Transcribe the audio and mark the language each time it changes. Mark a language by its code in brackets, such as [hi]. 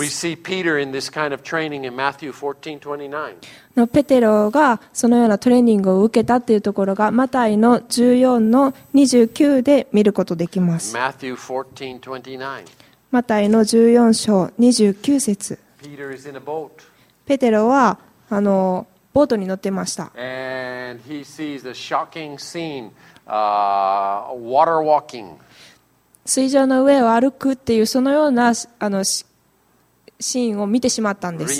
[en] We see Peter in this kind of training in Matthew 14:29. [ja] のペテロがそのようなトレーニングを受けたっていうところが、マタイの14:29で見ることできます。 [en] Matthew 14:29. [ja] マタイの14:29。 [en] Peter is in a boat. [ja] ペテロはボートに乗ってました。 [en] And he sees a shocking scene, water walking. [ja] 水上の上を歩くっていうそのようなシーンを見てしまったんです。